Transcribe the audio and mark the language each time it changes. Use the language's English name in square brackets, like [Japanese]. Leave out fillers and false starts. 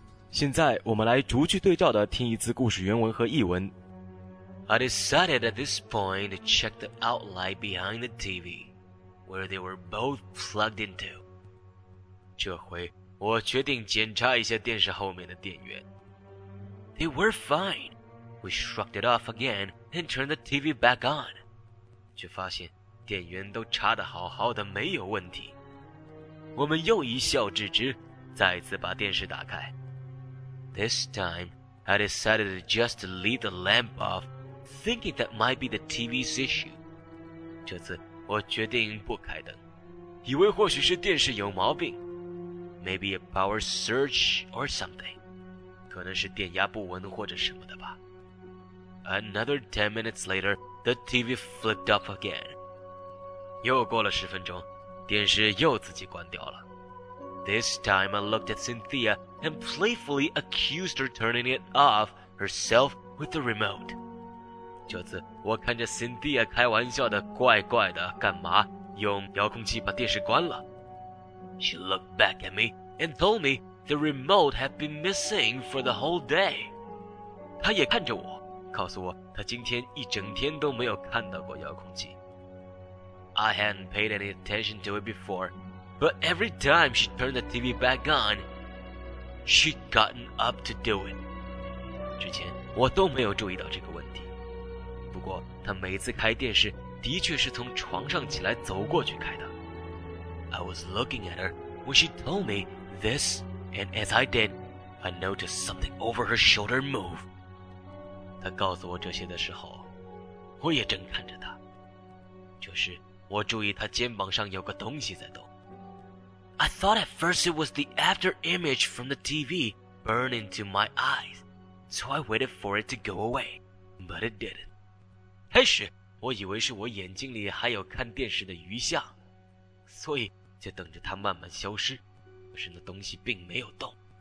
[Chinese] 现在我们来逐句对照的听一次故事原文和译文。 [English] I decided at this point to check the outlight behind the TV, where they were both plugged into. [Chinese] 这回我决定检查一下电视后面的电源。 [English] They were fine. We shrugged it off again and turned the TV back on. [Chinese] 却发现电源都插得好好的，没有问题。我们又一笑置之，再次把电视打开。 [English] This time, I decided to just leave the lamp off, thinking that might be the TV's issue. [Chinese] 这次我决定不开灯，以为或许是电视有毛病。 [English] Maybe a power surge or something. [Chinese] 可能是电压不稳或者什么的吧。 [English] Another 10 minutes later, the TV flipped off again. [Chinese] 又过了十分钟，电视又自己关掉了。 [English] This time I looked at Cynthia and playfully accused her turning it off herself with the remote. [Chinese] 这次我看着 Cynthia 开玩笑的怪怪的干嘛用遥控器把电视关了。 [English] She looked back at me and told me the remote had been missing for the whole day. [Chinese] 她也看着我告诉我她今天一整天都没有看到过遥控器。 [English] I hadn't paid any attention to it before, but every time she turned the TV back on, she'd gotten up to do it. [Chinese] 之前我都没有注意到这个问题。不过她每次开电视的确是从床上起来走过去开的。 [English] I was looking at her when she told me this, and as I did, I noticed something over her shoulder move. [Chinese] 她告诉我这些的时候，我也正看着她。就是我注意她肩膀上有个东西在动。 [English] I thought at first it was the after image from the TV burned into my eyes, so I waited for it to go away, but it didn't. [Chinese] 开始我以为是我眼睛里还有看电视的余像，所以就等着它慢慢消失，可是那东西并没有动。